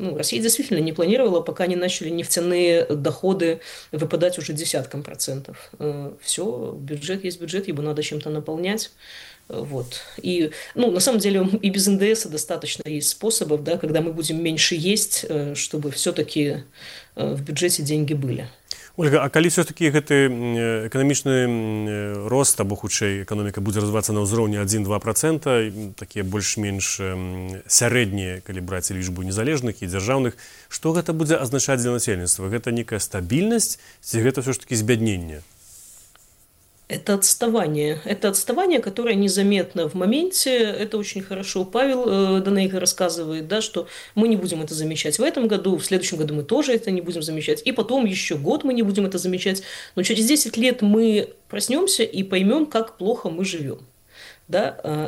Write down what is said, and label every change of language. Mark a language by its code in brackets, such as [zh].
[ru] Ну, Россия действительно не планировала, пока не начали нефтяные доходы выпадать уже десяткам процентов. Все, бюджет есть бюджет, его надо чем-то наполнять. Вот. И, ну, на самом деле, и без НДС достаточно есть способов, да, когда мы будем меньше есть, чтобы все-таки в бюджете деньги были. [be] Ольга, а калі все-таки гэты эканамічны рост, або хутчэй эканоміка будзе развівацца на ўзроўні 1-2%, такія больш-менш сярэднія, калі браць лічбу незалежных і дзяржаўных, што гэта будзе азначаць для насельніцтва? Гэта некая стабільнасць, ці гэта все ж такі збядненне? [ru] Это отставание. Это отставание, которое незаметно в моменте. Это очень хорошо Павел Данейко рассказывает, да, что мы не будем это замечать в этом году, в следующем году мы тоже это не будем замечать, и потом еще год мы не будем это замечать. Но через 10 лет мы проснемся и поймем, как плохо мы живем. Да?